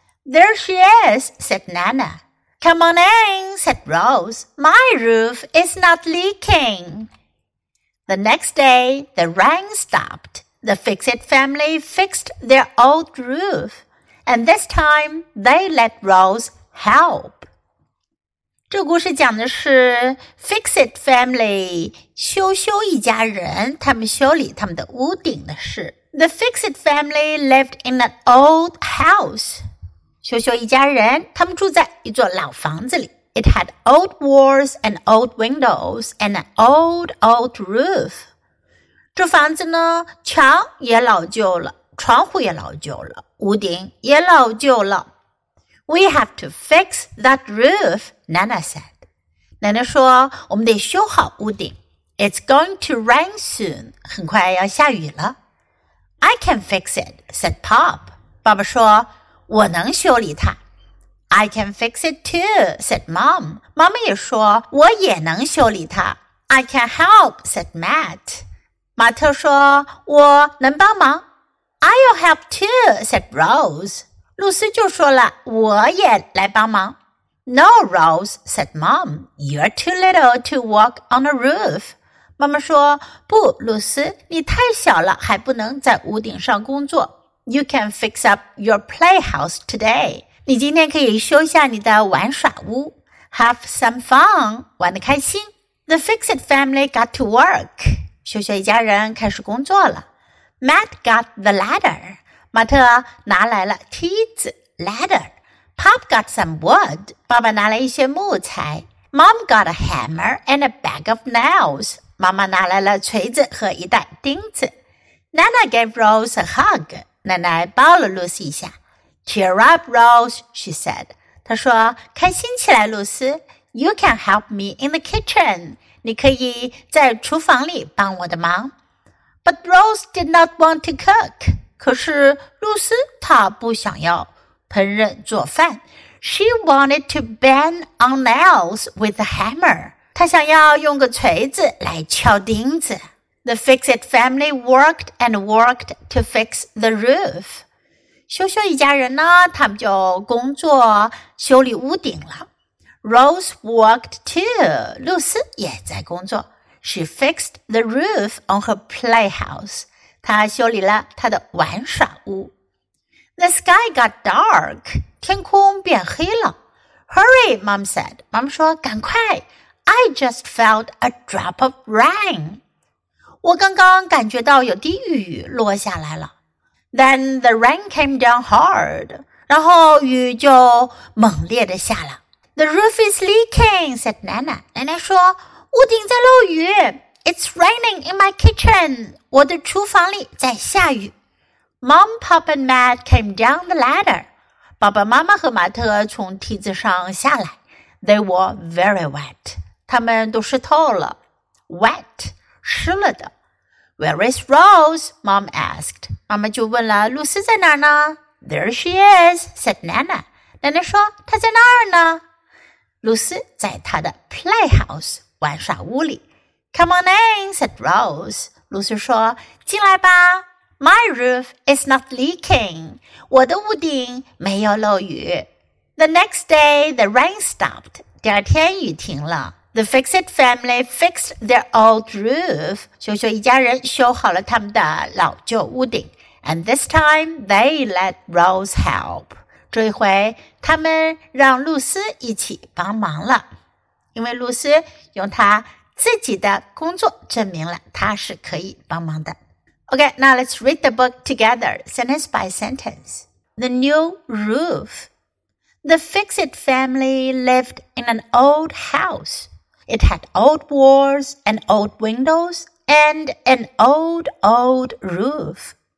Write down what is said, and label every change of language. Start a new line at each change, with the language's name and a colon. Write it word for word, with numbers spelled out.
English: There she is, said Nana. Come on in, said Rose. My roof is not leaking. The next day, the rain stopped. The Fix-It family fixed their old roof, and this time they let Rose help.
Chinese: 这故事讲的是 Fix-It family 修修一家人，他们修理他们的屋顶的事。
English: The Fix-It family lived in an old house.
Chinese: 修修一家人，他们住在一座老房子里。
English: It had old walls and old windows and an old, old roof.
Chinese: 这房子呢，墙也老旧了，窗户也老旧了，屋顶也老旧了。
English: We have to fix that roof, Nana said.
Chinese: 奶奶说，我们得修好屋顶。
English: It's going to rain soon.
Chinese: 很快要下雨了。
English: I can fix it, said Pop.
Chinese: 爸爸说，我能修理它。
English: I can fix it too, said Mom.
Chinese: 妈妈也说，我也能修理它。
English: I can help, said Matt.
Chinese: 马特说，我能帮忙。
English: I'll help too, said Rose.
Chinese: 露丝就说了，我也来帮忙。
English: No, Rose, said Mom. You're too little to walk on a roof.
Chinese: 妈妈说，不，露丝，你太小了，还不能在屋顶上工作。
English: You can fix up your playhouse today.
Chinese: 你今天可以修下你的玩耍屋。
English: Have some fun.
Chinese: 玩得开心。
English: The Fix-It family got to work.
Chinese: 修修一家人开始工作了。
English: Matt got the ladder.
Chinese: 马特拿来了梯子 ladder.
English: Pop got some wood.
Chinese: 爸爸拿来一些木材。
English: Mom got a hammer and a bag of nails.
Chinese: 妈妈拿来了锤子和一袋钉子。
English: Nana gave Rose a hug.
Chinese: 奶奶抱了露丝一下。
English: Cheer up, Rose, she said.
Chinese: 她说，开心起来，露丝。
English: You can help me in the kitchen.
Chinese: 你可以在厨房里帮我的忙。
English: But Rose did not want to cook.
Chinese: 可是露丝她不想要烹饪做饭。
English: She wanted to bang on nails with a hammer.
Chinese: 她想要用个锤子来敲钉子。
English: The Fix-It family worked and worked to fix the roof.
Chinese: 修修一家人呢，他们就工作修理屋顶了。
English: Rose worked too.
Chinese: 露丝也在工作。
English: She fixed the roof on her playhouse.
Chinese: 她修理了她的玩耍屋。
English: The sky got dark.
Chinese: 天空变黑了。
English: Hurry, Mom said.
Chinese: 妈妈说，赶快。
English: I I just felt a drop of rain.
Chinese: 我刚刚感觉到有滴雨落下来了。
English: Then the rain came down hard.
Chinese: 然后雨就猛烈地下了。
English: The roof is leaking, said Nana.
Chinese: 奶奶说，屋顶在漏雨。
English: It's raining in my kitchen.
Chinese: 我的厨房里在下雨。
English: Mom, Pop and Matt came down the ladder.
Chinese: 爸爸妈妈和马特从梯子上下来。
English: They were very wet.
Chinese: 他们都湿透了。
English: Wet,
Chinese: 湿了的。
English: Where is Rose? Mom asked.
Chinese: 妈妈就问了，露丝在哪儿呢？
English: There she is, said Nana.
Chinese: 奶奶说，她在那儿呢。露丝在她的 playhouse, 玩耍屋里。
English: Come on in, said Rose.
Chinese: 露丝说，进来吧。
English: My roof is not leaking.
Chinese: 我的屋顶没有漏雨。
English: The next day, the rain stopped.
Chinese: 第二天雨停了。
English: The Fix-It family fixed their old roof.
Chinese: 修修一家人修好了他们的老旧屋顶。
English: And this time, they let Rose help.
Chinese: 这一回，他们让露丝一起帮忙了，因为露丝用她自己的工作证明了她是可以帮忙的。
English: Okay, now let's read the book together, sentence by sentence. The new roof. The Fix-It family lived in an old house. It had old walls and old windows and an old, old roof.